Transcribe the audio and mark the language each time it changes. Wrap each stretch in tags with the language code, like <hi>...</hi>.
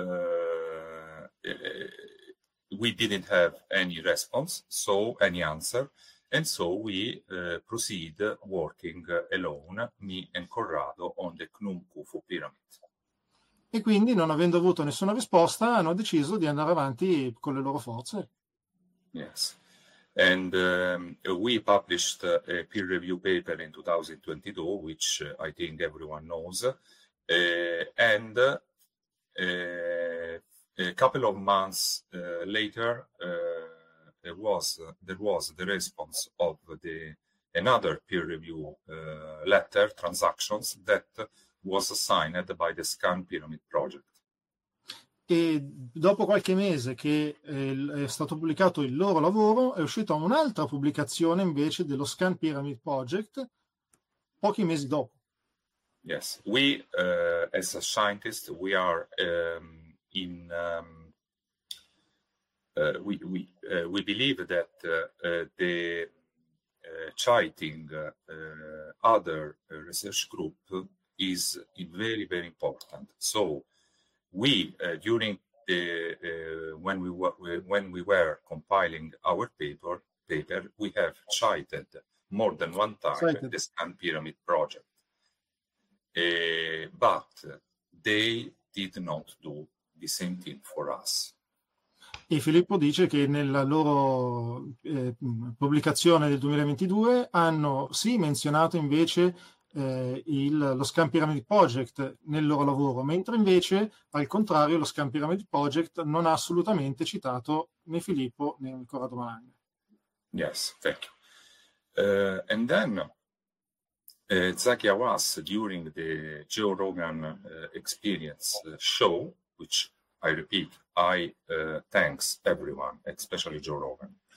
<en>And then we didn't have any response, so any answer, and so we proceed working alone, me and Corrado, on the Khnum Khufu pyramid.</en> <it>E quindi, non avendo avuto nessuna risposta, hanno deciso di andare avanti con le loro forze.</it> <en>Yes. And we published a peer review paper in 2022, which I think everyone knows. A couple of months later, there was the response of another peer review letter transactions that was signed by the Skam Pyramid Project.</en> <it>E dopo qualche mese che è stato pubblicato il loro lavoro, è uscita un'altra pubblicazione invece dello Skam Pyramid Project pochi mesi dopo.</it> <en>Yes, we as a scientist we are in we believe that the citing other research group is very very important. So we during the when we were compiling our paper we have cited more than one time the Skam Pyramid Project, but they did not do the same thing for us.</en> <it>E Filippo dice che nella loro pubblicazione del 2022 hanno sì menzionato invece lo Scrum Pyramid Project nel loro lavoro, mentre invece al contrario lo Scrum Pyramid Project non ha assolutamente citato né Filippo né ancora Domani.</it> <en>Yes, thank you. And then Zaki Awas, during the Joe Rogan experience show, which I repeat, I thanks everyone, especially Joe Rogan.</en>